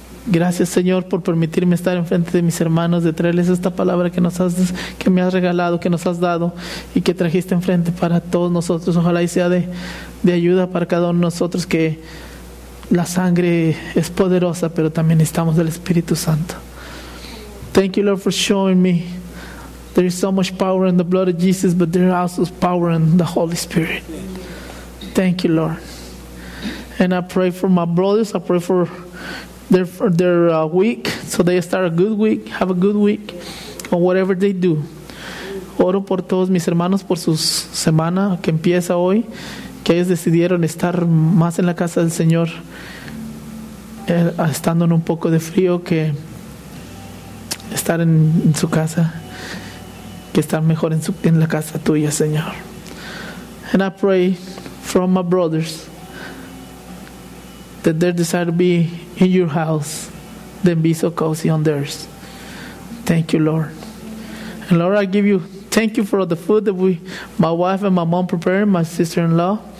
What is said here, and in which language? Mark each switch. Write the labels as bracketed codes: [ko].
[es] Gracias, Señor, por permitirme estar enfrente de mis hermanos, de traerles esta palabra que me has regalado, que nos has dado y que trajiste enfrente para todos nosotros. Ojalá y sea de ayuda para cada uno de nosotros, que la sangre es poderosa, pero también necesitamos del Espíritu Santo. [en] Thank you, Lord, for showing me there is so much power in the blood of Jesus, but there is also power in the Holy Spirit. Thank you, Lord. And I pray for my brothers. I pray for their week, so they start a good week, have a good week, or whatever they do. [es] Oro por todos mis hermanos, por su semana que empieza hoy, que ellos decidieron estar más en la casa del Señor, estando en un poco de frío, que estar en su casa, que estar mejor en la casa tuya, Señor. [en] And I pray from my brothers that their desire to be in your house then be so cozy on theirs. Thank you, Lord. And Lord, I give you, thank you for the food that my wife and my mom prepared, my sister-in-law.